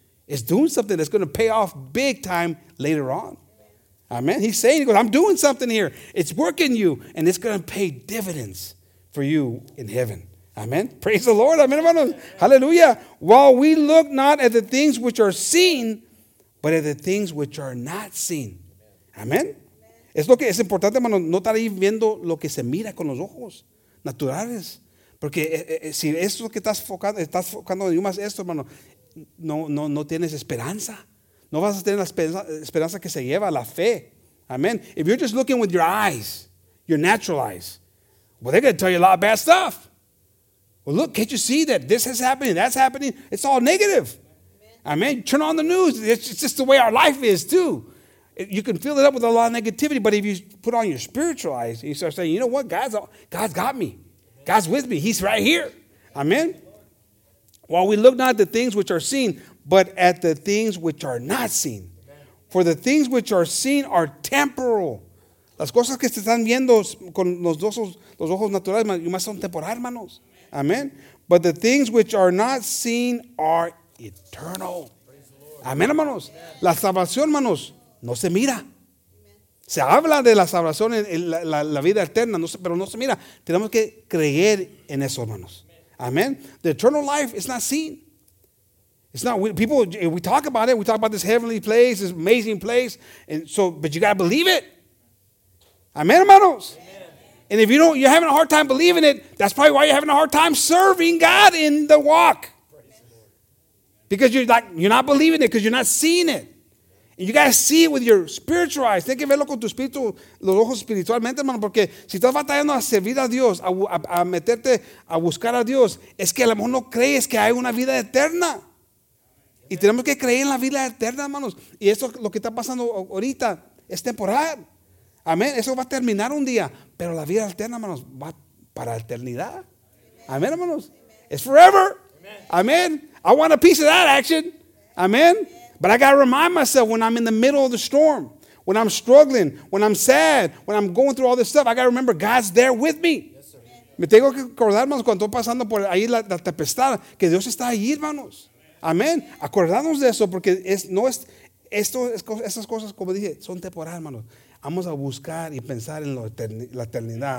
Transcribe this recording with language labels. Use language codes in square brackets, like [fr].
[en] It's doing something that's going to pay off big time later on. Amen. He's saying, he goes, I'm doing something here. It's working you, and it's going to pay dividends for you in heaven. Amen. Praise the Lord. Amen. Hallelujah. While we look not at the things which are seen, but at the things which are not seen. Amen. [es] Es lo que es importante, hermano, no estar ahí viendo lo que se mira con los ojos naturales. Porque si esto que estás focando en más esto, hermano, no tienes esperanza. No vas a tener la esperanza que se lleva, la fe. Amen. [en] If you're just looking with your eyes, your natural eyes, well, they're going to tell you a lot of bad stuff. Well, look, can't you see that this is happening, that's happening? It's all negative. Amen. Turn on the news. It's just the way our life is, too. You can fill it up with a lot of negativity, but if you put on your spiritual eyes, you start saying, you know what? God's got me. God's with me. He's right here. Amen. While we look not at the things which are seen, but at the things which are not seen. For the things which are seen are temporal. [es] Las cosas que se están viendo con los ojos naturales, you must son temporal, hermanos. Amen. [en] But the things which are not seen are eternal. [es] Amen, hermanos. La salvación, hermanos, no se mira. Se habla de la salvación en la vida eterna, pero no se mira. Tenemos que creer en eso, hermanos. Amen. [en] The eternal life is not seen. It's not, we talk about it. We talk about this heavenly place, this amazing place. And so, but you got to believe it. Amen, hermanos. And if you're having a hard time believing it, that's probably why you're having a hard time serving God in the walk. Because you're not believing it, because you're not seeing it. And you got to see it with your spiritual eyes. [es] Tienes que verlo con tu espíritu, los ojos espiritualmente, hermano, porque si estás batallando a servir a Dios, a meterte a buscar a Dios, es que a lo mejor no crees que hay una vida eterna. Y tenemos que creer en la vida eterna, hermanos. Y eso, lo que está pasando ahorita, es temporal. Amén. Eso va a terminar un día. Pero la vida eterna, hermanos, va para la eternidad. [en] Amén, hermanos. It's forever. Amén. I want a piece of that action. Amén. But I got to remind myself when I'm in the middle of the storm, when I'm struggling, when I'm sad, when I'm going through all this stuff, I got to remember God's there with me. [es] Me tengo que acordar, hermanos, cuando estoy pasando por ahí la tempestad, que Dios está ahí, hermanos. Amén. Acordarnos de eso porque esas cosas, como dije, son temporales, hermanos. Vamos a buscar y pensar en la eternidad.